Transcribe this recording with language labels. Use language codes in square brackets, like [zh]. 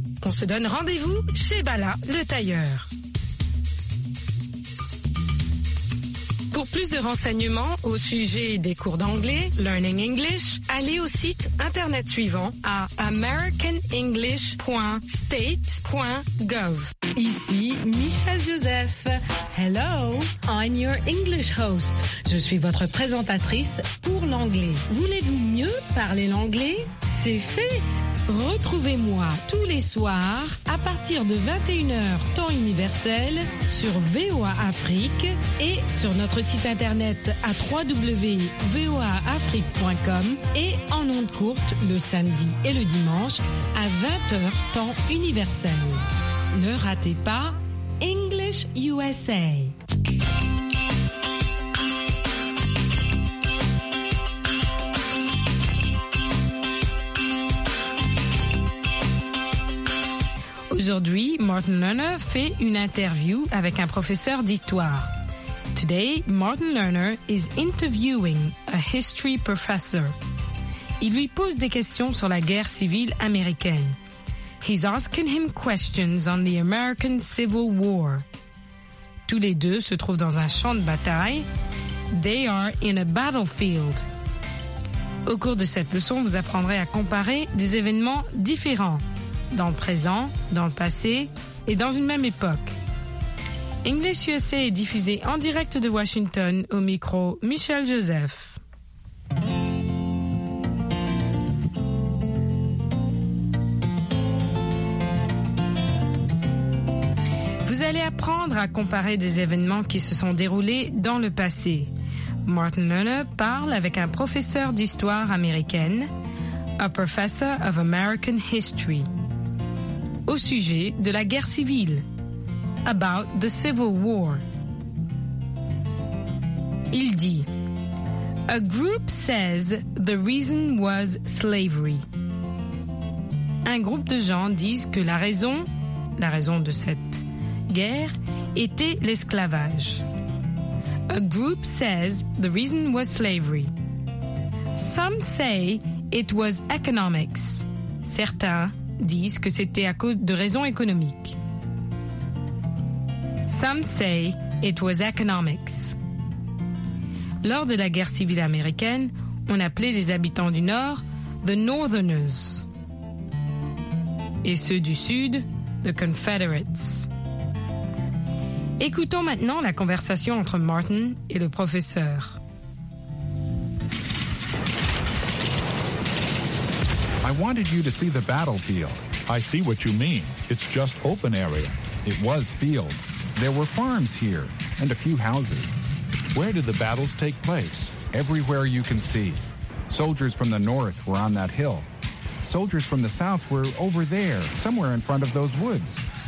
[fr] On se donne rendez-vous chez Bala, le tailleur. Pour plus de renseignements au sujet des cours d'anglais, Learning English, allez au site internet suivant à americanenglish.state.gov. Ici Michel Joseph. [en] Hello, I'm your English host. [fr] Je suis votre présentatrice pour l'anglais. Voulez-vous mieux parler l'anglais? C'est fait! Retrouvez-moi tous les soirs à partir de 21h temps universel sur VOA Afrique et sur notre site internet à www.voaafrique.com et en ondes courtes le samedi et le dimanche à 20h temps universel. Ne ratez pas English USA. Aujourd'hui, Martin Lerner fait une interview avec un professeur d'histoire. [en] Today, Martin Lerner is interviewing a history professor. [fr] Il lui pose des questions sur la guerre civile américaine. [en] He's asking him questions on the American Civil War. [fr] Tous les deux se trouvent dans un champ de bataille. [en] They are in a battlefield. [fr] Au cours de cette leçon, vous apprendrez à comparer des événements différents, dans le présent, dans le passé et dans une même époque. English USA est diffusé en direct de Washington au micro Michel Joseph. Vous allez apprendre à comparer des événements qui se sont déroulés dans le passé. Martin Lerner parle avec un professeur d'histoire américaine, [en] a professor of American history, [fr] au sujet de la guerre civile, [en] about the Civil War. [fr] Il dit, [en] a group says the reason was slavery. [fr] Un groupe de gens disent que la raison de cette guerre était l'esclavage. [en] A group says the reason was slavery. Some say it was economics. [fr] Certains disent que c'était à cause de raisons économiques. [en] Some say it was economics. [fr] Lors de la guerre civile américaine, on appelait les habitants du Nord « [en] the Northerners [fr] » et ceux du Sud « [en] the Confederates ». [fr] Écoutons maintenant la conversation entre Martin et le professeur. [en] I wanted you to see the battlefield. I see what you mean. It's just open area. It was fields. There were farms here and a few houses. Where did the battles take place? Everywhere you can see. Soldiers from the north were on that hill. Soldiers from the south were over there, somewhere in front of those woods.